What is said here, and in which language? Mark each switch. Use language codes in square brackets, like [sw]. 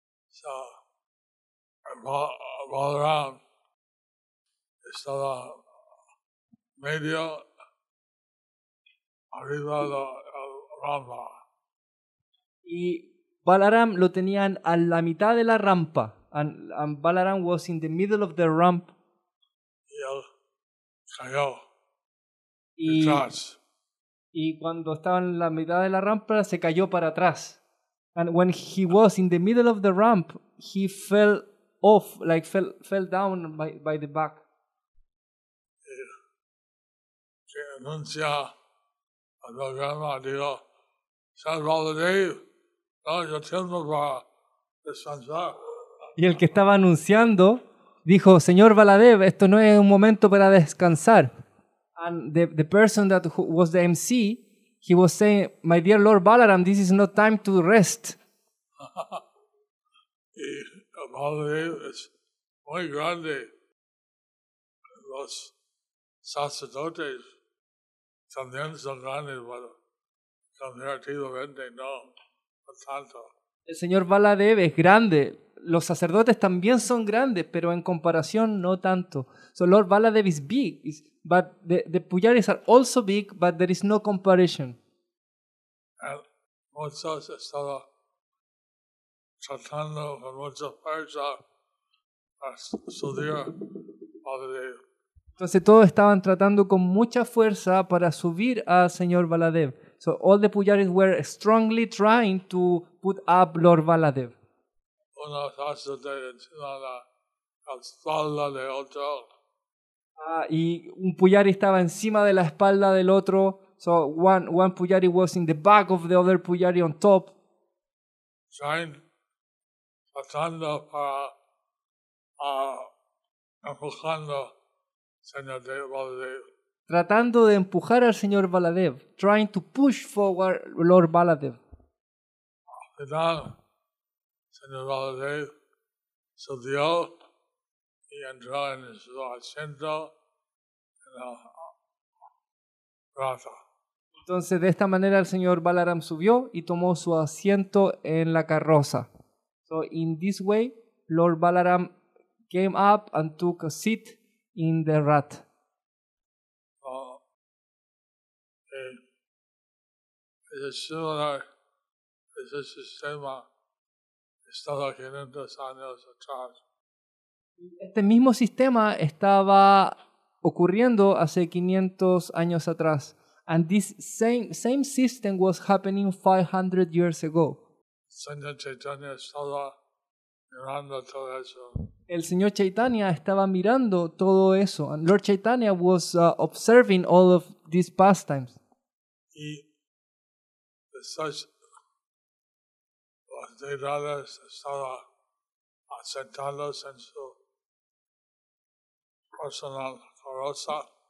[es] So, Balaram estaba medio arriba de la rampa. Y Balaram lo tenían a la mitad de la rampa. [en] And Balaram was in the middle of the ramp. [es] Y él cayó. Y cuando estaba en la mitad de la rampa, se cayó para atrás. [en] And when he was in the middle of the ramp, he fell off, like fell down by the back. [es] Se anuncia a la grama, digo, San Baladev, yo tengo para descansar. Y el que estaba anunciando dijo, Señor Baladev, esto no es un momento para descansar. [en] And the person that was the MC, he was saying, my dear Lord Balaram, this is no time to rest. [es] Y Baladev es muy grande. Los sacerdotes también son grandes, pero comparativamente no tanto. El señor Baladev es grande. Los sacerdotes también son grandes, pero en comparación no tanto. [en] So Lord Baladev is big, but the Puyaris are also big, but there is no comparison. [es] And muchos estaban tratando con muchos fuerzas a subir Baladev. Entonces todos estaban tratando con mucha fuerza para subir al señor Baladev. [en] So all the Puyaris were strongly trying to put up Lord Baladev. [es] Una sacerdote encima de la espalda de otro. Y un Puyari estaba encima de la espalda del otro. [en] So one Puyari was in the back of the other Puyari on top. [es] Tratando para empujando señor Baladev. Tratando de empujar al señor Baladev. [en] Trying to push forward Lord Baladev. [es] Señor Baladev subió y entró en su asiento en la Ratha. Entonces, de esta manera, el señor Balaram subió y tomó su asiento en la carroza. [en] So, in this way, Lord Balaram came up and took a seat in the Ratha. [es] Es similar a ese sistema. Estaba 500 años atrás. Este mismo sistema estaba ocurriendo hace 500 años atrás. [en] And this same system was happening 500 years ago. [es] Señor Chaitanya estaba mirando todo eso. El señor Chaitanya estaba mirando todo eso. [en] And Lord Chaitanya was observing all of these pastimes. [es] Y los deidades estaban sentados en su personal carroza.